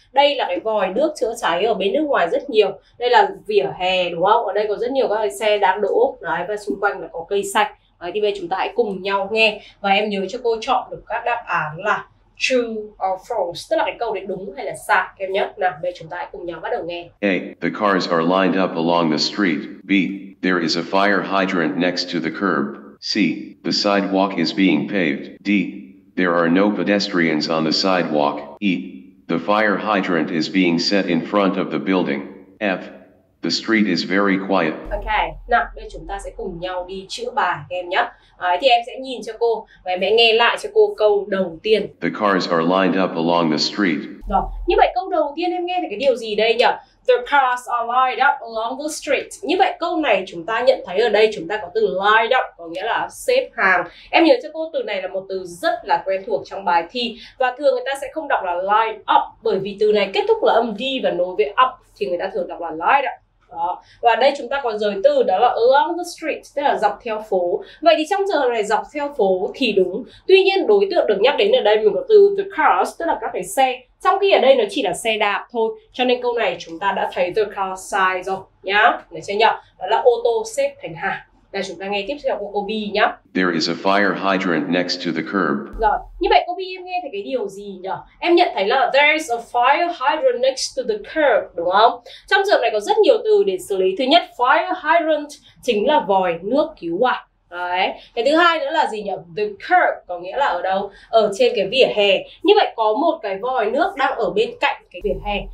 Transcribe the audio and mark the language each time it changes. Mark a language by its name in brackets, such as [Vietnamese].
[Vietnamese] Đây là cái vòi nước chữa cháy ở bên nước ngoài rất nhiều. Đây là vỉa hè đúng không? Ở đây có rất nhiều các xe đang đỗ. Đấy, và xung quanh là có cây xanh. Đấy, thì bây giờ chúng ta hãy cùng nhau nghe. Và em nhớ cho cô chọn được các đáp án là [English] true or false, [Vietnamese] tức là cái câu đấy đúng hay là sai em nhé. Nào, bây giờ chúng ta hãy cùng nhau bắt đầu nghe. [English] A. The cars are lined up along the street. B. There is a fire hydrant next to the curb. C. The sidewalk is being paved. D. There are no pedestrians on the sidewalk. E. The fire hydrant is being set in front of the building. F. The street is very quiet. [Vietnamese] Ok, nào, bây giờ chúng ta sẽ cùng nhau đi chữa bài em nhé. À, thì em sẽ nhìn cho cô và em sẽ nghe lại cho cô câu đầu tiên. [English] The cars are lined up along the street. [Vietnamese] Rồi, như vậy câu đầu tiên em nghe thì cái điều gì đây nhỉ? [English] The cars are lined up along the street. [Vietnamese] Như vậy câu này chúng ta nhận thấy ở đây chúng ta có từ lined up, có nghĩa là xếp hàng. Em nhớ cho cô từ này là một từ rất là quen thuộc trong bài thi. Và thường người ta sẽ không đọc là lined up, bởi vì từ này kết thúc là âm D và nối với up, thì người ta thường đọc là lined up. Đó. Và đây chúng ta có giới từ đó là [English] along the street, [Vietnamese] tức là dọc theo phố. Vậy thì trong giờ này dọc theo phố thì đúng. Tuy nhiên đối tượng được nhắc đến ở đây mình có từ the cars, tức là các cái xe. Trong khi ở đây nó chỉ là xe đạp thôi. Cho nên câu này chúng ta đã thấy the car sai rồi nhá. Để xem nhá. Đó là ô tô xếp thành hàng. Đây chúng ta nghe tiếp theo của cô B nhá. [English] There is a fire hydrant next to the curb. [Vietnamese] Rồi, như vậy cô B em nghe thấy cái điều gì nhỉ? Em nhận thấy là [English] there is a fire hydrant next to the curb, [Vietnamese] đúng không? Trong trường này có rất nhiều từ để xử lý. Thứ nhất, fire hydrant chính là vòi nước cứu hỏa. Đấy. Cái thứ hai nữa là gì nhỉ? The curb có nghĩa là ở đâu? Ở trên cái vỉa hè. Như vậy có một cái vòi nước đang ở bên cạnh cái vỉa hè.